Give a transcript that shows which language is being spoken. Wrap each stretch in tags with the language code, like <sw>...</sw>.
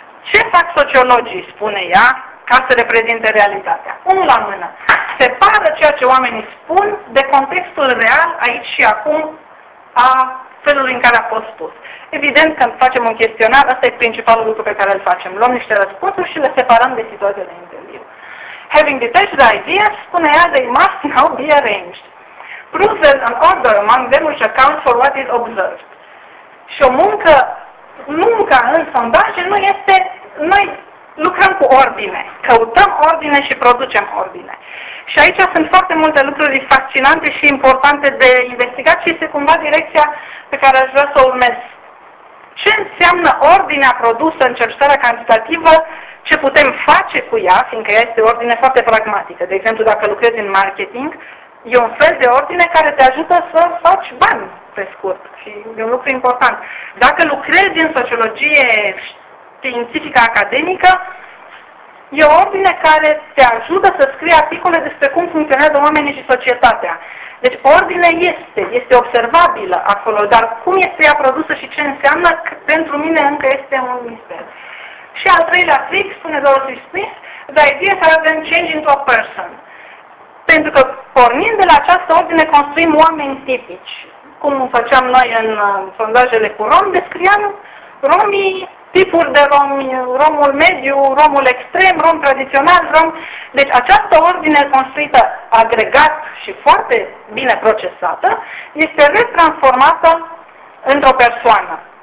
<ro>Ce fac sociologii, spune ea, ca să reprezinte realitatea? Unul la mână. Separă ceea ce oamenii spun de contextul real, aici și acum, a felului în care a fost spus. Evident, când facem un chestionar, ăsta e principalul lucru pe care îl facem. Luăm niște răspunsuri și le separăm de situația de interviu.</ro> <en>Having detached the ideas,</en> <ro>spune ea,</ro> <en>they must now be arranged. Prove that an order among them which accounts for what is observed.</en> <ro>Și o muncă, munca în sondaje nu este, noi lucrăm cu ordine, căutăm ordine și producem ordine. Și aici sunt foarte multe lucruri fascinante și importante de investigat și este cumva direcția pe care aș vrea să o urmez. Ce înseamnă ordinea produsă în cercetarea cantitativă, ce putem face cu ea, fiindcă ea este o ordine foarte pragmatică. De exemplu, dacă lucrezi în marketing, e un fel de ordine care te ajută să faci bani, pe scurt. Și e un lucru important. Dacă lucrezi în sociologie științifică academică, e o ordine care te ajută să scrii articole despre cum funcționează oamenii și societatea. Deci ordine este observabilă acolo, dar cum este ea produsă și ce înseamnă, pentru mine încă este un mister. Și al treilea trick, spune Dorothy Smith,</ro> <en>the idea is to change into a person.</en> <ro>Pentru că pornind de la această ordine construim oameni tipici. Cum făceam noi în sondajele cu romi, descriam romii, tipuri de romi, romul mediu, romul extrem, rom tradițional, rom. Deci această ordine construită agregat și foarte bine procesată este retransformată într-o persoană.</ro>